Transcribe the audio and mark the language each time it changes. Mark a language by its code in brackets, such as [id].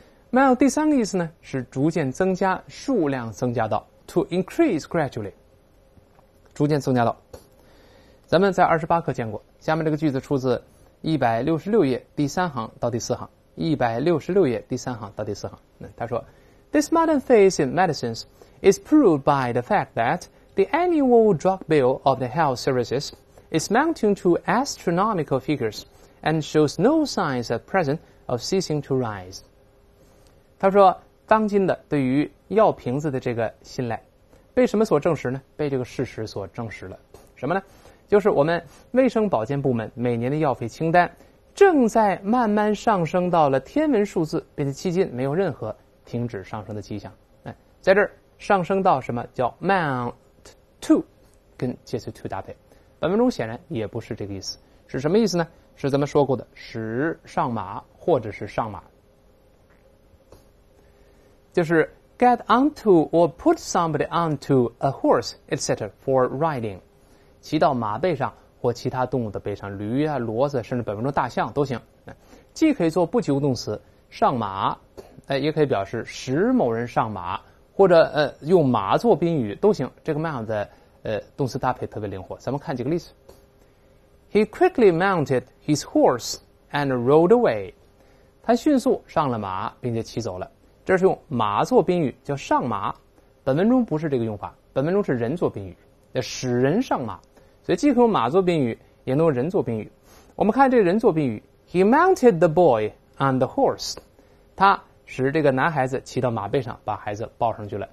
[zh] Mount 第三个意思呢，是逐渐增加，数量增加到 [en] to increase gradually， [zh] 逐渐增加到。咱们在28课见过，下面这个句子出自166页第三行到第四行，166页第三行到第四行。他说 [en] This modern phase in medicines is proved by the fact that the annual drug bill of the health services is mounting to astronomical figures and shows no signs at present of ceasing to rise。 [zh] 他说当今的对于药瓶子的这个信赖被什么所证实呢？被这个事实所证实了。什么呢？就是我们卫生保健部门每年的药费清单正在慢慢上升到了天文数字，并且迄今没有任何停止上升的迹象。在这儿上升到什么叫 [en] mount to， [zh] 跟介词 to 搭配，本文中显然也不是这个意思。是什么意思呢？是咱们说过的使上马或者是上马，就是 [en] get onto or put somebody onto a horse etc. for riding， [zh] 骑到马背上或其他动物的背上，驴啊、骡子，甚至本文中大象都行。既可以做不及物动词上马，也可以表示使某人上马，或者用马做宾语都行。这个 mount 的动词搭配特别灵活。咱们看几个例子。 [en] He quickly mounted his horse and rode away。 [zh] 他迅速上了马，并且骑走了。这是用马做宾语，叫上马。本文中不是这个用法，本文中是人做宾语。使人上马，所以既可用马做宾语，也能用人做宾语。我们看这个人做宾语 ， [en] He mounted the boy on the horse， [zh] 他使这个男孩子骑到马背上，把孩子抱上去了。